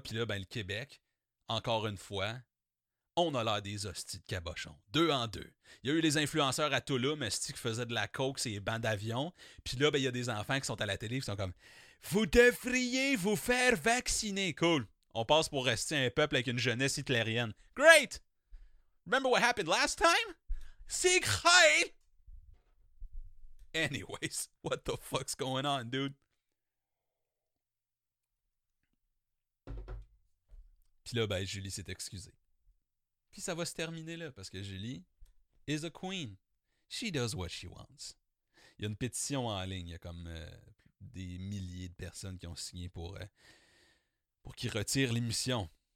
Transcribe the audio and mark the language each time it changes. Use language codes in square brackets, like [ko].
[fr] Puis là, ben le Québec, encore une fois... On a l'air des hosties de cabochons. Deux en deux. Il y a eu les influenceurs à Toulouse, hosties qui faisaient de la coke, c'est les bancs d'avion. Puis là, ben, il y a des enfants qui sont à la télé qui sont comme « Vous devriez vous faire vacciner. » Cool. On passe pour rester un peuple avec une jeunesse hitlérienne. [en] Great! Remember what happened last time? [fr] C'est great! [en] Anyways, what the fuck's going on, dude? [fr] Puis là, ben, Julie s'est excusée. Puis ça va se terminer là, parce que [en] Julie is a queen. She does what she wants. [fr] Il y a une pétition en ligne. Il y a comme des milliers de personnes qui ont signé pour qu'ils retirent l'émission.